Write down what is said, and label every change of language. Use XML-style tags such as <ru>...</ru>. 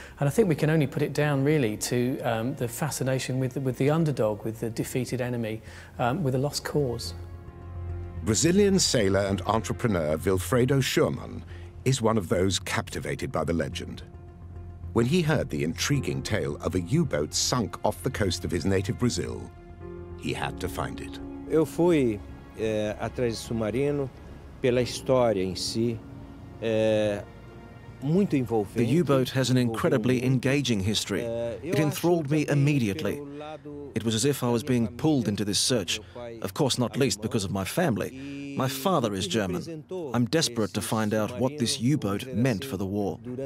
<en>And I think we can only put it down, really, to the fascination with the underdog, with the defeated enemy, with a lost cause. Brazilian sailor and entrepreneur Wilfredo Schurmann is one of those captivated by the legend. When he heard the intriguing tale of a U-boat sunk off the coast of his native Brazil, he had to find it.</en> <pt>Eu fui atrás do submarino pela história em si, muito envolvente.</pt> <en>The U-boat has an incredibly engaging history. It enthralled me immediately. It was as if I was being pulled into this search, of course not least because of my family. My father is German. I'm desperate to find out what this U-boat meant for the war.</en>